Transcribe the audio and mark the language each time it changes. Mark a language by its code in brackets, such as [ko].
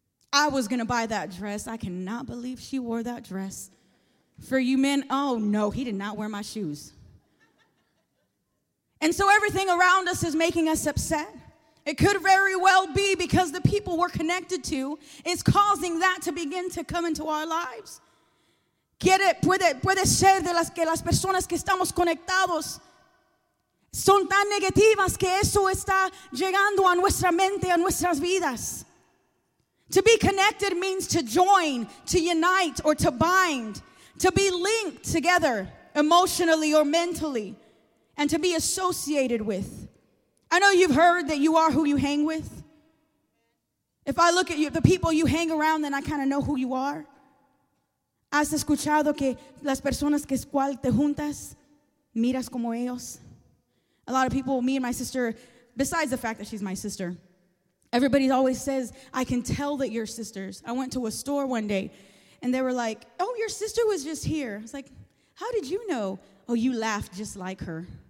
[en] "I was going to buy that dress. I cannot believe she wore that dress." For you men, "Oh no, he did not wear my shoes." And so everything around us is making us upset. It could very well be because the people we're connected to is causing that to begin to come into our lives. [es] Puede ser de las que las personas que estamos conectados son tan negativas que eso está llegando a nuestra mente, a nuestras vidas. [en] To be connected means to join, to unite, or to bind, to be linked together emotionally or mentally, and to be associated with. I know you've heard that you are who you hang with. If I look at you, the people you hang around, then I kind of know who you are. [es] ¿Has escuchado que las personas que es cual te juntas, miras como ellos? [en] A lot of people, me and my sister, besides the fact that she's my sister, everybody always says, I can tell that you're sisters. I went to a store one day, and they were like, oh, your sister was just here. I was like, how did you know? Oh, you laughed just like her.